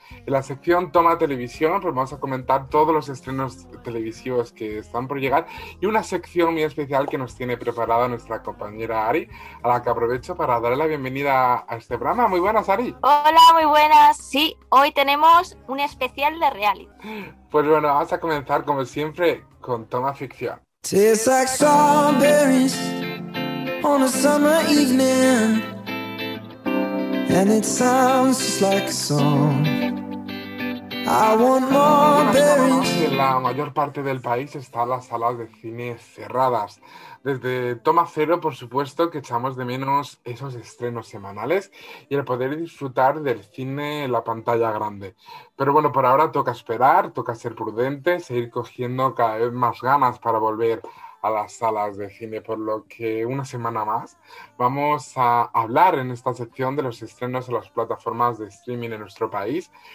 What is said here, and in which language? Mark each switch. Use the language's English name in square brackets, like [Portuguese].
[Spanish] En la sección Toma Televisión, pues vamos a comentar todos los estrenos televisivos que están por llegar y una sección muy especial que nos tiene preparada nuestra compañera Ari, a la que aprovecho para darle la bienvenida a este programa. Muy buenas, Ari. Hola, muy buenas. Sí, hoy tenemos un especial de reality. Pues bueno, vamos a comenzar como siempre con Toma Ficción. [English] Tastes like strawberries on a summer evening, and it sounds just like a song. I want more berries. [Spanish] En la mayor parte del país están las salas de cine cerradas. Desde Toma Cero, por supuesto, que echamos de menos esos estrenos semanales y el poder disfrutar del cine en la pantalla grande. Pero bueno, por ahora toca esperar, toca ser prudente, seguir cogiendo cada vez más ganas para volver a las salas de cine, por lo que una semana más vamos a hablar en esta sección de los estrenos en las plataformas de streaming en nuestro país.